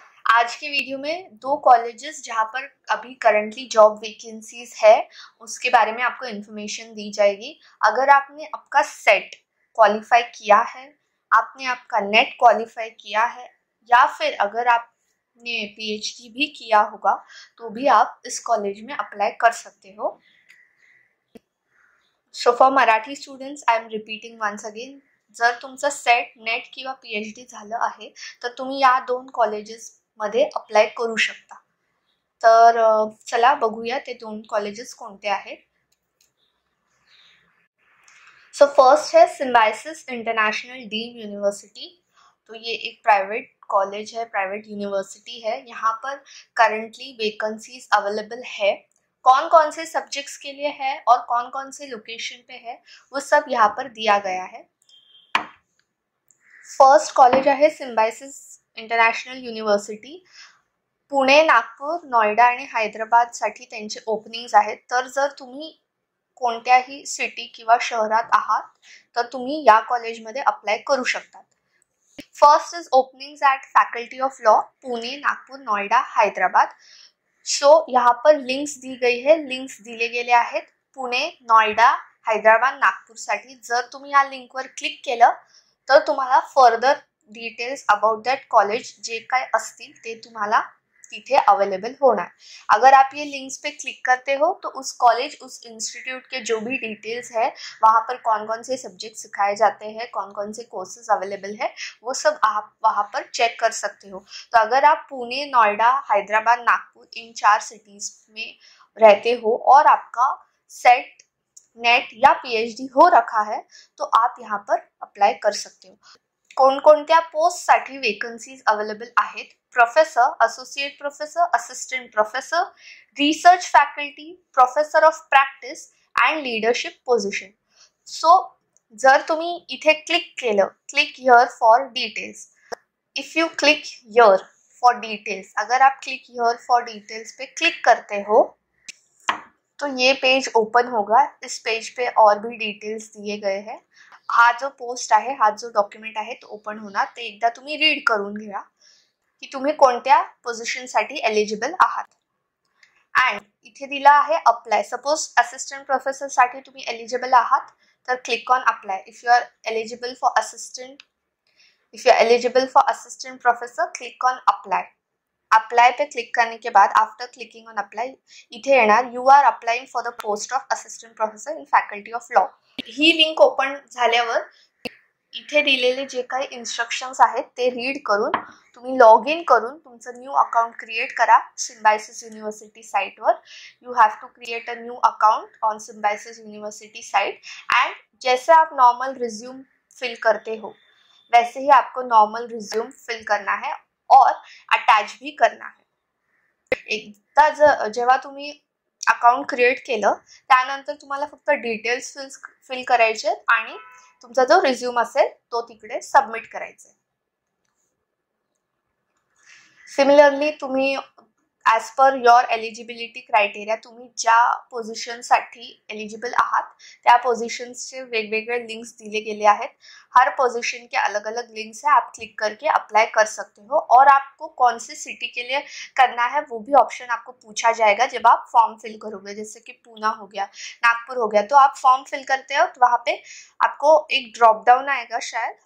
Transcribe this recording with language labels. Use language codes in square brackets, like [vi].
[hi] आज के वीडियो में दो कॉलेजेस जहां पर अभी करंटली जॉब वैकेंसीज है उसके बारे में आपको इन्फॉर्मेशन दी जाएगी। अगर आपने आपका सेट क्वालिफाई किया है, आपने आपका नेट क्वालिफाई किया है, या फिर अगर आपने PhD भी किया होगा तो भी आप इस कॉलेज में अप्लाई कर सकते हो। [en] so for Marathi students, I am repeating once again, [mr] जर तुमचं सेट नेट किंवा PhD झालं आहे तर तुम्ही या दोन कॉलेजेसमध्ये अप्लाय करू शकता। तर चला बघूया ते दोन कॉलेजेस कोणते आहेत। [hi] सो फर्स्ट है सिम्बायसिस इंटरनॅशनल डीम युनिव्हर्सिटी। तो ये एक प्रायव्हेट कॉलेज है, प्रायव्हेट युनिव्हर्सिटी है। यहाँ पर करंटली वेकन्सीज अवेलेबल है। कौन कौन से सब्जेक्ट्स के लिए है और कौन कौन से लोकेशन पे है वो सब यहाँ पर दिया गया है। [mr] फर्स्ट कॉलेज आहे Symbiosis international university. Pune, Nagpur, Noida आणि हैदराबादसाठी त्यांचे ओपनिंग्स आहेत। तर जर तुम्ही कोणत्याही सिटी किंवा शहरात आहात तर तुम्ही या कॉलेजमध्ये अप्लाय करू शकतात। [en] First is openings at faculty of law, Pune, Nagpur, Noida, Hyderabad. [hi] सो यहाँ पर लिंक्स दी गई है, [mr] लिंक्स दिले गेले आहेत पुणे, नोएडा, हैदराबाद, नागपूरसाठी। जर तुम्ही या लिंकवर क्लिक केलं तर तुम्हाला [en] further details about that college [mr] जे काय असतील ते तुम्हाला तिथे अवेलेबल होणार। [hi] अगर आप ये लिंक्स पे क्लिक करते हो तो उस कॉलेज, उस इंस्टीट्यूट के जो भी डिटेल्स है, वहाँ पर कौन कौन से सब्जेक्ट सिखाए जाते हैं, कौन कौन से कोर्सेज अवेलेबल है, वो सब आप वहाँ पर चेक कर सकते हो। तो अगर आप पुणे, नोएडा, हैदराबाद, नागपुर इन चार सिटीज में रहते हो और आपका सेट नेट या PhD हो रखा है तो आप यहाँ पर अप्लाय कर सकते हो। [mr] कोणकोणत्या पोस्टसाठी वेकन्सीज अवेलेबल आहेत? [en] Professor, associate professor, assistant professor, research faculty, professor of practice and leadership position. [mr] So जर तुम्ही इथे क्लिक केलं, [hi] click here for details, [en] if you click here for details, [hi] अगर आप क्लिक हिअर फॉर डिटेल्स पे क्लिक करते हो तो ये पेज ओपन होगा। इस पेज पे और भी डिटेल्स दिए गए हैं। [mr] हा जो पोस्ट आहे, हा जो डॉक्युमेंट आहे तो ओपन होणार। ते एकदा तुम्ही रीड करून घ्या की तुम्ही कोणत्या पोझिशनसाठी एलिजिबल आहात। अँड इथे दिला आहे अप्लाय। सपोज असिस्टंट प्रोफेसरसाठी तुम्ही एलिजिबल आहात तर click on apply. [en] If you are eligible for assistant, if you are eligible for assistant professor, click on apply. [hi] Apply पे क्लिक करने के बाद [en] after clicking on apply [mr] इथे येणार [en] You are applying for the post of assistant professor in faculty of law. [mr] He link open झाल्यावर इथे दिलेले जे काही instructions आहेत ते रीड करून तुम्ही लॉग इन करून तुमचं न्यू अकाउंट क्रिएट करा सिम्बायसिस युनिव्हर्सिटी साईटवर। [en] You have to create a new account on Symbiosis university site. [hi] And जैसे आप नॉर्मल रिझ्यूम फिल करते हो वैसे ही आपको नॉर्मल रिझ्यूम फिल करना है और अटॅच भी करना है। [mr] एकदा जेव्हा तुम्ही अकाउंट क्रिएट केलं त्यानंतर तुम्हाला फक्त डिटेल्स फिल करायचे आणि तुमचा जो रिझ्यूम असेल तो तिकडे सबमिट करायचे। सिमिलरली तुम्ही [en] as per your eligibility criteria [mr] तुम्ही ज्या पोझिशनसाठी एलिजिबल आहात त्या पोझिशन्सचे वेगवेगळे लिंक्स दिले गेले आहेत। [hi] हर पोझिशन के अलग अलग लिंक्स है, आप क्लिक करके अप्लाय कर सकते हो। और आपको कौन से सिटी के लिए करना है वो भी ऑप्शन आपको पूछा जाएगा जब आप फॉर्म फिल करोगे। जैसे कि पुणे हो गया, नागपुर हो गया, तो आप फॉर्म फिल करते हो तो वहाँ पे आपको एक ड्रॉपडाउन आएगा शायद।